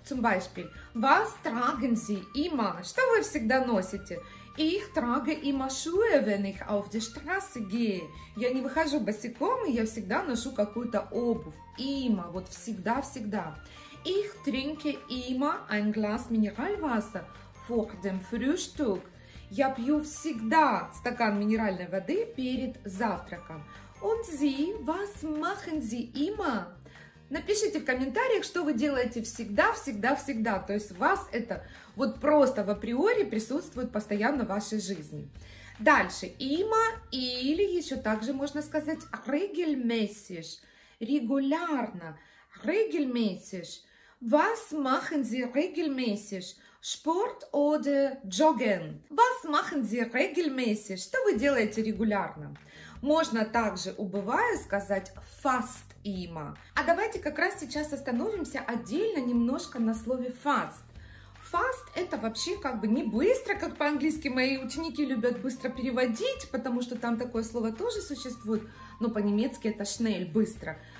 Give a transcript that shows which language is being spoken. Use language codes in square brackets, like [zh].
[de] Zum Beispiel, was tragen Sie immer? [ru] Что вы всегда носите? [de] Ich trage immer Schuhe, wenn ich auf die Straße gehe. [ru] Я не выхожу босиком, и я всегда ношу какую-то обувь. Има, вот всегда. [de] Ich trinke immer ein Glas Mineralwasser vor dem Frühstück. [ru] Я пью всегда стакан минеральной воды перед завтраком. [de] Und Sie, was machen Sie immer? [ru] Напишите в комментариях, что вы делаете всегда. То есть у вас это вот просто в априори присутствует постоянно в вашей жизни. Дальше. Има или еще также можно сказать regelmäßig. Регулярно. Regelmäßig. [de] Was machen Sie regelmäßig? Sport oder joggen? Was machen Sie regelmäßig? [ru] Что вы делаете регулярно? Можно также, убывая, сказать fast има. А давайте как раз сейчас остановимся отдельно немножко на слове fast. Fast это вообще как бы не быстро, как по-английски мои ученики любят быстро переводить, потому что там такое слово тоже существует, но по-немецки это schnell, быстро.